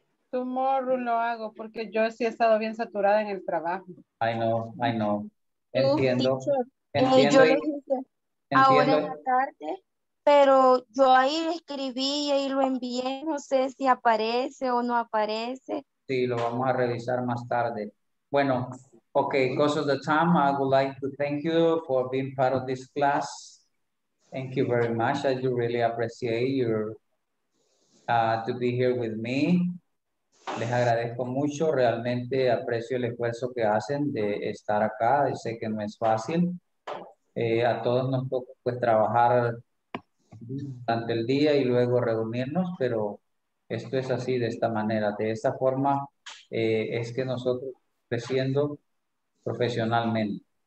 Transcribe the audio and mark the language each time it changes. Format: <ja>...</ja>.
<es>Tomorrow lo hago porque yo sí he estado bien saturada en el trabajo.</es> <en>I know. Entiendo.</en> <es>Yo lo hice ahora en la tarde, pero yo ahí lo escribí y ahí lo envié. No sé si aparece o no aparece. Sí, lo vamos a revisar más tarde.</es> <en>Bueno, ok, because of the time, I would like to thank you for being part of this class. Thank you very much. I do really appreciate your to be here with me.</en> <es>Les agradezco mucho. Realmente aprecio el esfuerzo que hacen de estar acá. Sé que no es fácil. A todos nos toca pues trabajar durante el día y luego reunirnos, pero esto es así, de esta manera. De esta forma es que nosotros creciendo profesionalmente.</es>